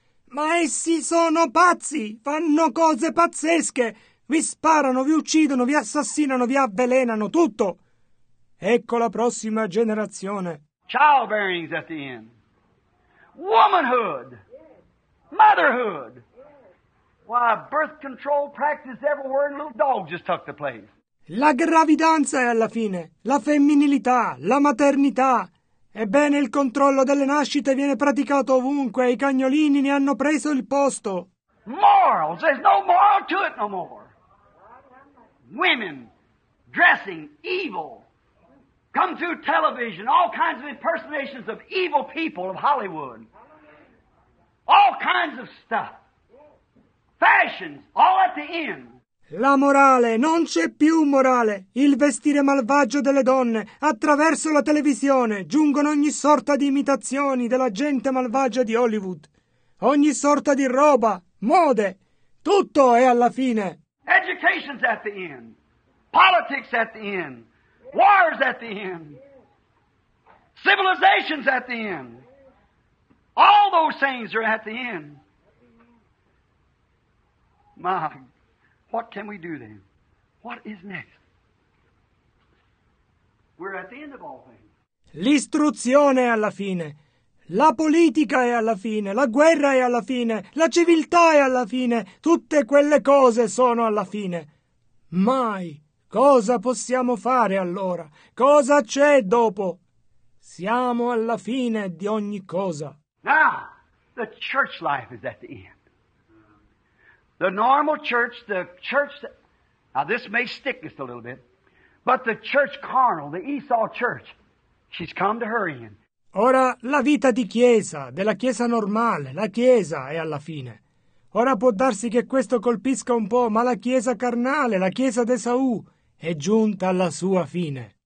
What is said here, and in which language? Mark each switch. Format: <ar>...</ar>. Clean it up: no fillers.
<it>Ma essi sono pazzi, fanno cose pazzesche. Vi sparano, vi uccidono, vi assassinano, vi avvelenano, tutto. Ecco la prossima generazione.</it> <en>Childbearing's at the end. Womanhood. Motherhood. Why, birth control practice everywhere and little dog just took the place.</en> <it>La gravidanza è alla fine. La femminilità, la maternità. Ebbene, il controllo delle nascite viene praticato ovunque. I cagnolini ne hanno preso il posto.</it> <en>Morals. There's no moral to it no more. Women dressing evil come through television, all kinds of impersonations of evil people of Hollywood, all kinds of stuff, fashions, all at the end.</en> <it>La morale, non c'è più morale. Il vestire malvagio delle donne attraverso la televisione giungono ogni sorta di imitazioni della gente malvagia di Hollywood, ogni sorta di roba, mode, tutto è alla fine.</it> <en>Education's at the end. Politics at the end. War's at the end. Civilization's at the end. All those things are at the end. My, what can we do then? What is next? We're at the end of all things.</en> <it>L'istruzione è alla fine. La politica è alla fine, la guerra è alla fine, la civiltà è alla fine, tutte quelle cose sono alla fine. Mai. Cosa possiamo fare allora? Cosa c'è dopo? Siamo alla fine di ogni cosa.</it> <en>Now, the church life is at the end. The normal church, the church, now this may stick just a little bit, but the church carnal, the Esau church, she's come to her end.</en> <it>Ora la vita di chiesa, della chiesa normale, la chiesa è alla fine. Ora può darsi che questo colpisca un po', ma la chiesa carnale, la chiesa di Esau, è giunta alla sua fine.</it>